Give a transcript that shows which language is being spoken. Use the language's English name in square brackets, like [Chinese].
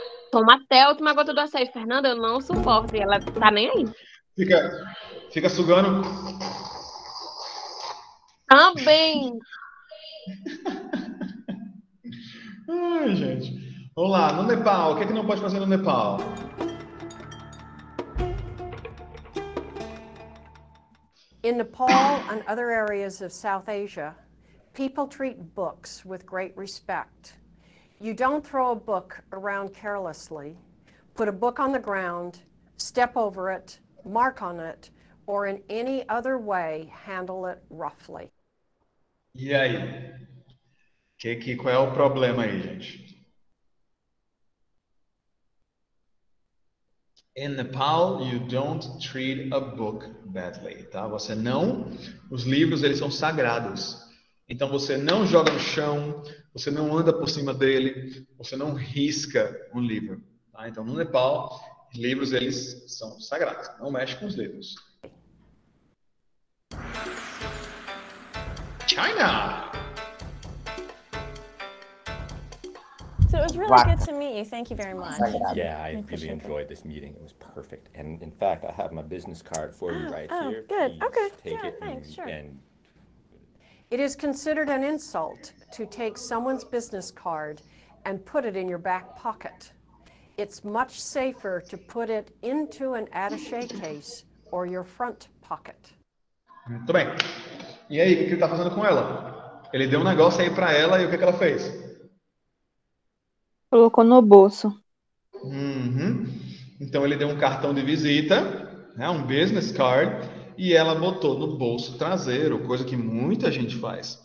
[Portuguese] Toma até a última gota do açaí. Fernanda, eu não suporto. E ela tá nem aí. Fica sugando. Também. Ai, gente. Vamos lá. No Nepal, o que é que não pode fazer no Nepal? [English] In Nepal and other areas of South Asia, people treat books with great respect. You don't throw a book around carelessly, put a book on the ground, step over it, mark on it, or in any other way handle it roughly. [Portuguese] E aí? Qual é o problema aí, gente? [English] In Nepal, you don't treat a book badly, tá? [Portuguese] Você não... Os livros, eles são sagrados. Então, você não joga no chão, você não anda por cima dele, você não risca um livro. Tá? Então, no Nepal, livros, eles são sagrados. Não mexe com os livros. China! [English] So it was really good to meet you. Thank you very much. Yeah, I really enjoyed this meeting. It was perfect. And in fact, I have my business card for you right here. Oh, good. Please okay. Take yeah, it thanks. And, sure. And... It is considered an insult to take someone's business card and put it in your back pocket. It's much safer to put it into an attaché case or your front pocket. [Portuguese] Muito bem. E aí, o que ele tá fazendo com ela? Ele deu um negócio aí para ela e o que ela fez? Colocou no bolso. Uhum. Então ele deu um cartão de visita, né, um business card, e ela botou no bolso traseiro, coisa que muita gente faz.